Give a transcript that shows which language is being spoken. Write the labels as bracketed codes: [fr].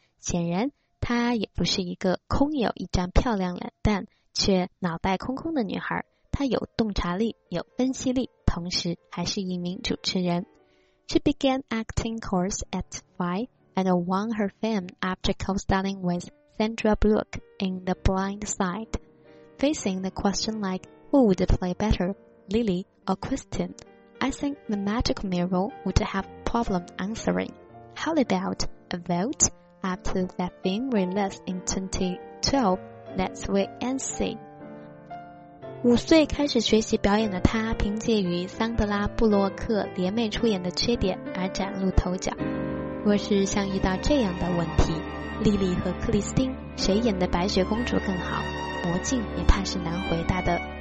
[zh] 显然，她也不是一个空有一张漂亮脸蛋却脑袋空空的女孩，她有洞察力，有分析力，同时还是一名主持人。 [en] She began acting course at 5 and won her fame after co-starring with Sandra Bullock in The Blind Side. Facing the question like,Who would play better, Lily or Kristen? I think the magic mirror would have problem answering. How about a vote after that film released in 2012? Let's wait and see. [zh] 五岁开始学习表演的她，凭借与桑德拉·布洛克联袂出演的缺点而崭露头角。若是像遇到这样的问题，莉莉和克里斯汀谁演的白雪公主更好，魔镜也怕是难回答的。